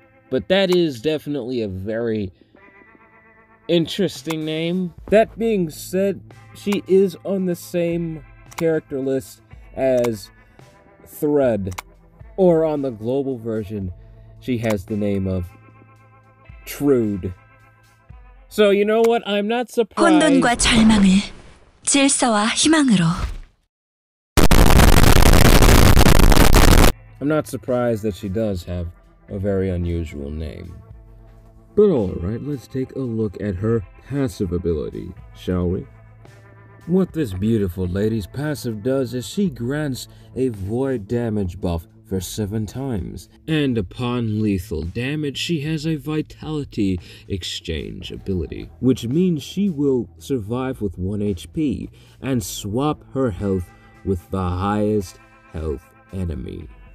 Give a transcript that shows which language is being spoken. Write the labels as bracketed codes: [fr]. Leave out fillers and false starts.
[en] But that is definitely a very interesting name. That being said, she is on the same character list as Thread. Or on the global version, she has the name of Trude. So you know what? I'm not surprised. [ko] 혼돈과 절망을 질서와 희망으로. [en] I'm not surprised that she does have a very unusual name. But alright, let's take a look at her passive ability, shall we? What this beautiful lady's passive does is she grants a void damage buff for 7 times, and upon lethal damage, she has a vitality exchange ability, which means she will survive with 1 HP and swap her health with the highest health enemy.